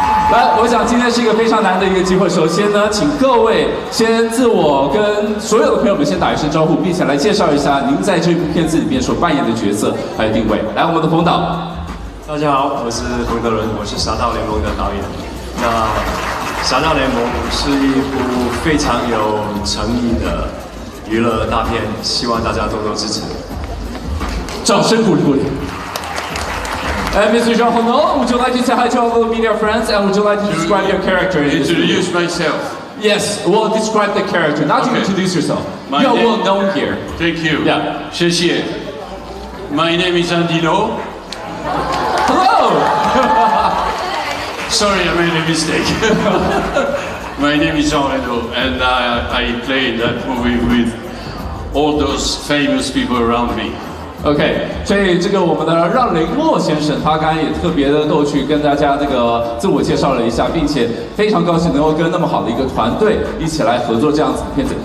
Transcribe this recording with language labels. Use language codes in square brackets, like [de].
[zh] 来，我想今天是一个非常难的一个机会，首先呢请各位先自我跟所有的朋友们先打一声招呼，并且来介绍一下您在这部片子里面所扮演的角色还有定位。来，我们的冯导。大家好，我是冯德伦，我是侠盗联盟的导演。那《侠盗联盟》是一部非常有诚意的娱乐大片，希望大家多多支持，掌声鼓励鼓励。 [en] And Mr. John Hono, would you like to say hi to all the media friends, and would you like to describe your character? Introduce myself. Yes, well, describe the character. Not to introduce yourself. You are well known here. Thank you. Yeah. [zh] 谢谢。 [en] My name is Andy Lo. Hello. Sorry, I made a mistake. My name is Jean Reno, and I played that movie with all those famous people around me. [zh] OK, 所以这个我们的让雷诺先生，他刚刚也特别的逗趣跟大家这个自我介绍了一下，并且非常高兴能够跟那么好的一个团队一起来合作这样子的片子。